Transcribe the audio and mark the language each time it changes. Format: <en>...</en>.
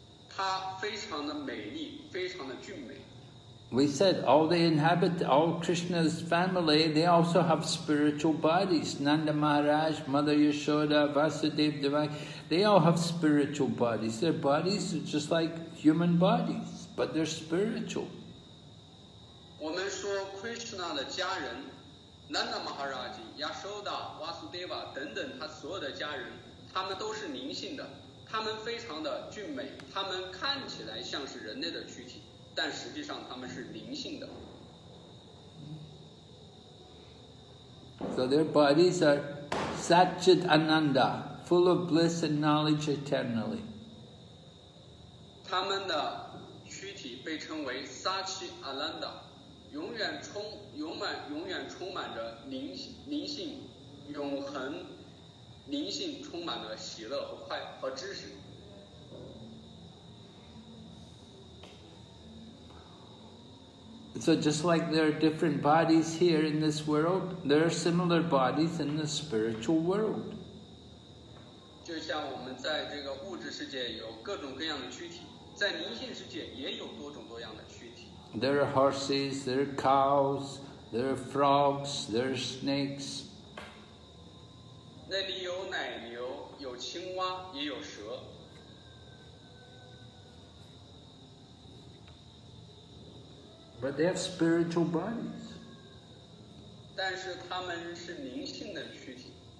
<zh>他非常的美丽，非常的俊美。</zh> <en>We said all the inhabitants, all Krishna's family, they also have spiritual bodies. Nanda Maharaj, Mother Yashoda, Vasudev, Devaki, they all have spiritual bodies. Their bodies are just like human bodies, but they're spiritual. We say Krishna's family, Nanda Maharaj, Yashoda, Vasudeva, and all their family, they are all spiritual. They are very beautiful. They look like a human's body.</en> <zh>但实际上他们是灵性的。</zh> <en>So their bodies are Satchit Ananda, full of bliss and knowledge eternally.</en> <zh>他们的躯体被称为 Satchit Ananda, 永远充满着灵性，永恒灵性充满了喜乐和快和知识。</zh> <en>So just like there are different bodies here in this world, there are similar bodies in the spiritual world.</en> <zh>就像我们在这个物质世界有各种各样的躯体，在灵性世界也有多种多样的躯体。</zh> <en>There are horses, there are cows, there are frogs, there are snakes.</en> <zh>那里有奶牛，有青蛙，也有蛇。</zh> <en>But they have spiritual bodies.</en> <zh>但是他们是灵性的躯体。</zh>